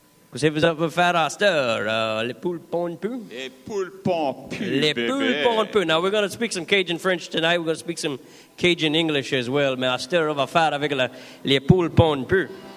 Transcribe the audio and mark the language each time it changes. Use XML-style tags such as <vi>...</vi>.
<fr>Qu'est-ce que vous avez fait à cette les poules pompes? Les poules pompes. Les poules pompes.</fr> <en>Now we're going to speak some Cajun French tonight. We're going to speak some Cajun English as well.</en> <fr>Mais à cette heure, on va faire avec les poules pompes.</fr>